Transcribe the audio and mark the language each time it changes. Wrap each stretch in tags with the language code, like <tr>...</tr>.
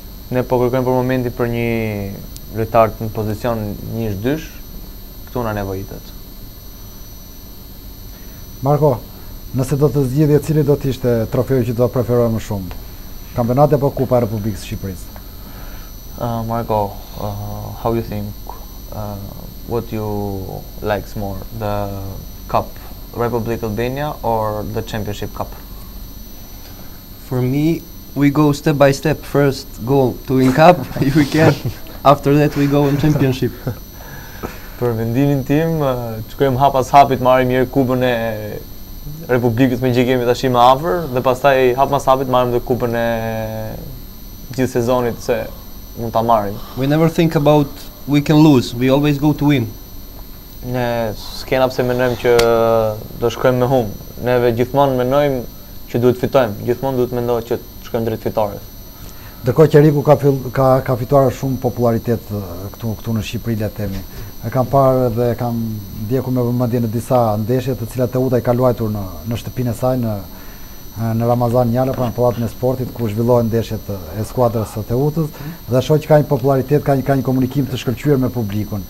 <sq>Ne po kërkojmë për momentin për një lojtar në pozicion 1-2, këtu na nevojitet. Marko, nëse do të zgjidhje cili do të ishte trofeu që do të preferojë më shumë? Kampionati apo Kupa e Republikës së Shqipërisë?</sq> <en>Marko, how you think what you likes more, the Cup, Republic Albania or the Championship Cup? For me, we go step by step. First goal to win cup, if we can. After that, we go in championship.</en> <sq>Për vendimin tim, shkojmë hap pas hapit, marrim një kupën e Republikës me që kemi tash më afër dhe pastaj hap pas hapit marrim edhe kupën e gjithë sezonit se mund ta marrim.</sq> <en>We never think about we can lose, we always go to win.</en> <sq>Ne s'kena pse mendojmë që do shkojmë me hum. Neve gjithmonë mendojmë që duhet fitojmë, gjithmonë duhet mendojmë që shkojmë drejt fitores. Ndërkohë që Eriku ka fituar shumë popularitet këtu në Shqipëri, le të themi. E kam parë dhe kam ndjekur me vëmendje në disa ndeshje të cilat Teuta i ka luajtur në shtëpinë e saj në Ramazan Njala, pra në pallatin e sportit ku zhvillohen ndeshjet e skuadrës së Teutës dhe shoh që ka një popularitet, ka një komunikim të shkëlqyer me publikun.</sq>